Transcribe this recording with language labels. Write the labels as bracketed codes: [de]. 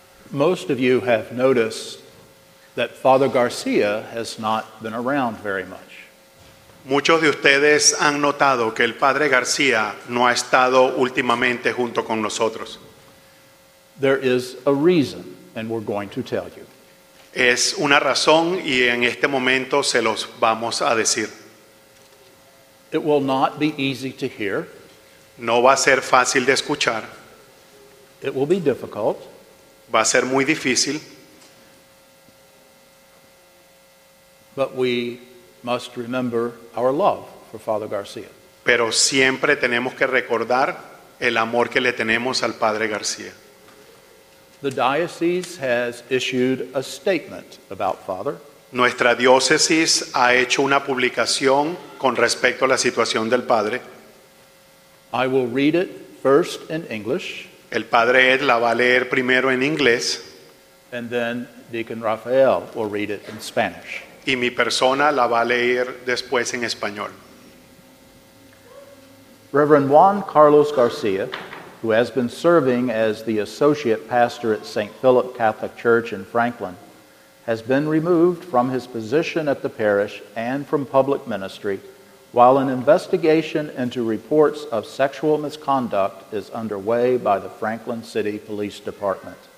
[en] Most of you have noticed that Father Garcia has not been around very much. [es] Muchos de ustedes han notado que el Padre García no ha estado últimamente junto con nosotros. [en] There is a reason, and we're going to tell you. [es] Es una razón y en este momento se los vamos a decir. [en] It will not be easy to hear. [es] No va a ser fácil de escuchar. [en] It will be difficult. [es] Va a ser muy difícil. [en] But we must remember our love for Father Garcia. [es] Pero siempre tenemos que recordar el amor que le tenemos al Padre García. [en] The diocese has issued a statement about Father. [es] Nuestra diócesis ha hecho una publicación con respecto a la situación del Padre. [en] I will read it first in English. [es] El Padre Ed la va a leer primero en inglés. [en] And then Deacon Rafael will read it in Spanish. [es] Y mi persona la va a leer después en español. [en] Reverend Juan Carlos García, who has been serving as the associate pastor at St. Philip Catholic Church in Franklin, has been removed from his position at the parish and from public ministry while an investigation into reports of sexual misconduct is underway by the Franklin City Police Department.